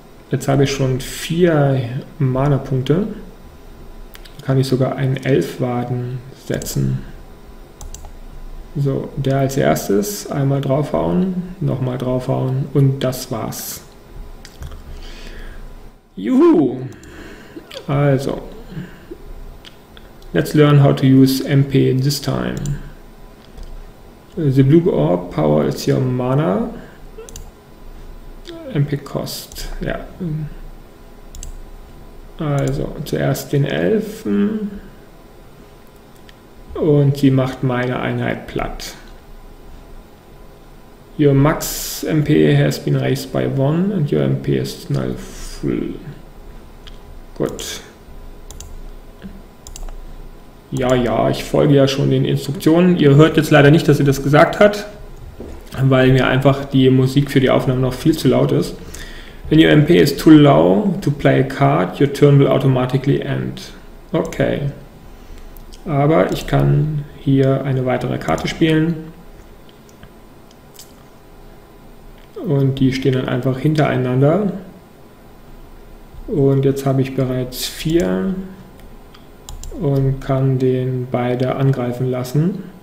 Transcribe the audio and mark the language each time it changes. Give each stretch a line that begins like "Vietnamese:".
German: Jetzt habe ich schon 4 Mana-Punkte. Da kann ich sogar einen Elfwaden setzen. So, der als erstes einmal draufhauen, nochmal draufhauen und das war's. Juhu!
English: Also, let's learn how to use MP this time. The blue orb power is your mana. MP cost.
German: Ja. Also zuerst den Elfen. Und sie macht meine Einheit platt.
English: Your max MP has been raised by one and your MP is now full.
German: Gut. Ja, ich folge ja schon den Instruktionen. Ihr hört jetzt leider nicht, dass sie das gesagt hat, weil mir einfach die Musik für die Aufnahme noch viel zu laut ist.
English: When your MP is too low to play a card, your turn will automatically end. Okay.
German: Aber ich kann hier eine weitere Karte spielen. Und die stehen dann einfach hintereinander. Und jetzt habe ich bereits vier und kann den beide angreifen lassen.